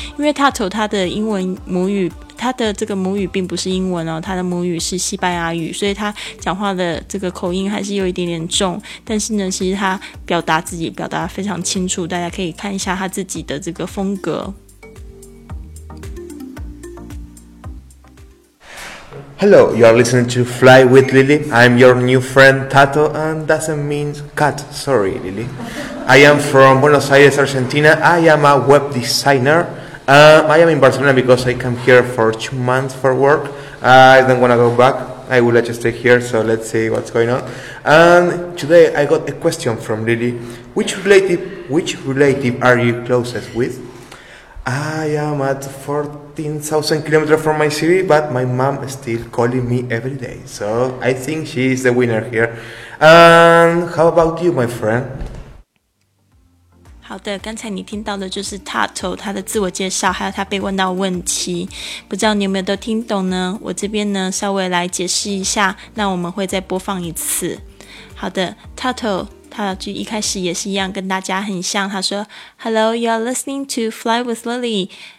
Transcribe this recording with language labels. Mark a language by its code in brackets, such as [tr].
[zh] 因为 Tato 他的英文母语，他的这个母语并不是英文哦，他的母语是西班牙语，所以他讲话的这个口音还是有一点点重。但是呢其实他表达自己表达非常清楚，大家可以看一下他自己的这个风格。 [en] Hello, you are listening to Fly with Lily. I'm your new friend Tato, and doesn't mean cat, sorry Lily. I am from Buenos Aires, Argentina. I am a web designer. I am in Barcelona because I came here for 2 months for work. I don't want to go back. I would like to stay here, so let's see what's going on. And today I got a question from Lily. Which relative are you closest with? I am at 14,000 kilometers from my city, but my mom is still calling me every day. So I think she is the winner here. And how about you, my friend? [zh] 好的，刚才你听到的就是 Tato 他的自我介绍，还有他被问到问题。不知道你有没有都听懂呢？我这边呢稍微来解释一下，那我们会再播放一次。好的， Tato他就一开始也是一样跟大家很像，他说 [en] Hello, you are listening to Fly with Lily.